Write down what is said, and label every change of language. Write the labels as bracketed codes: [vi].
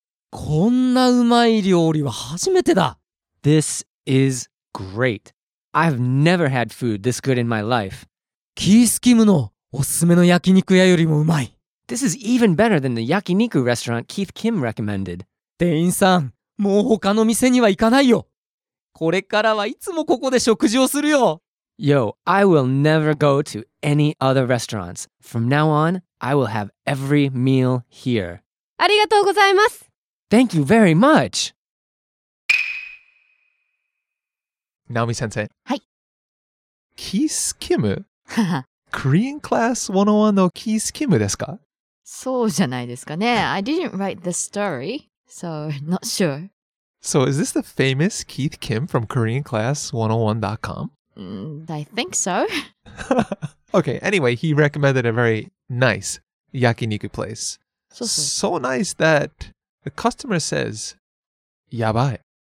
[ja] こんなうまい料理は初めてだ。 [en] This is great. I've never had food this good in my life. [ja] キースキムのおすすめの焼肉屋よりもうまい。 [en] This is even better than the yakiniku restaurant Keith Kim recommended. [ja] 店員さん、もう他の店には行かないよ。これからはいつもここで食事をするよ。 [en] Yo, I will never go to any other restaurants. From now on, I will have every meal here. [ja] ありがとうございます。 [en] Thank you very much. Naomi-sensei. [ja] はい。キースキム?Korean Class 101 のキースキムですか？そうじゃないですかね。 [en] I didn't write the story, so not sure. So is this the famous Keith Kim from KoreanClass101.com? I think so. Okay, anyway, he recommended a very nice yakiniku place. So nice that the customer says, yabai.